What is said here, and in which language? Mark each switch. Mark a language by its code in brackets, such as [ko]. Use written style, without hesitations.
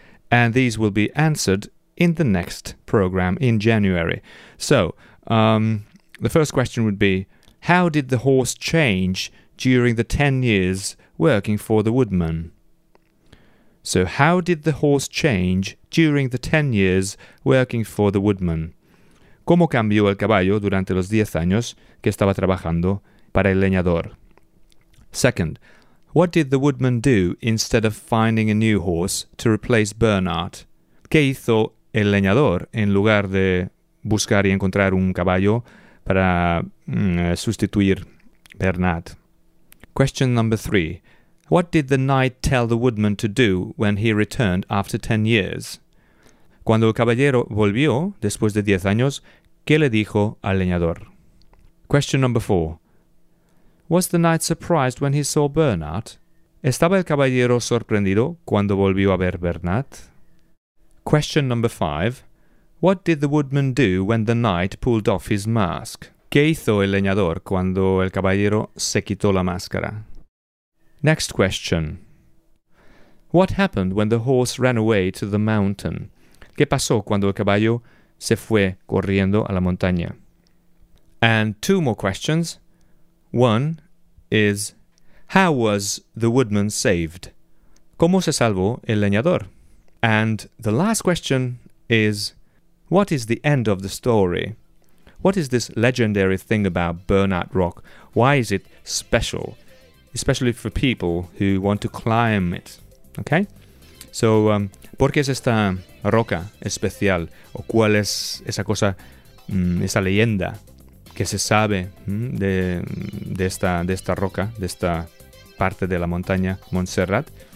[en] And these will be answered in the next program in January. So, the first question would be, how did the horse change during the 10 years working for the woodman? So, how did the horse change during the 10 years working for the woodman? [es] ¿Cómo cambió el caballo durante los 10 años que estaba trabajando para el leñador? [en] Second, what did the woodman do instead of finding a new horse to replace Bernard? [es] ¿Qué hizo el leñador en lugar de buscar y encontrar un caballo para sustituir Bernard? [en] Question number 3. What did the knight tell the woodman to do when he returned after 10 years? [es] Cuando el caballero volvió, después de 10 años, ¿qué le dijo al leñador? [en] Question number 4. Was the knight surprised when he saw Bernard? [es] ¿Estaba el caballero sorprendido cuando volvió a ver Bernard? [en] Question number 5. What did the woodman do when the knight pulled off his mask? [es] ¿Qué hizo el leñador cuando el caballero se quitó la máscara? [en] Next question. What happened when the horse ran away to the mountain? [es] ¿Qué pasó cuando el caballo se fue corriendo a la montaña? [en] And two more questions. One is, how was the woodman saved? [es] ¿Cómo se salvó el leñador? [en] And the last question is, what is the end of the story? What is this legendary thing about Bernard Rock? Why is it special? Especially for people who want to climb it. Okay? So, [es] ¿por qué es esta roca especial? ¿O cuál es esa cosa, esa leyenda que se sabe de esta roca, de esta parte de la montaña Montserrat?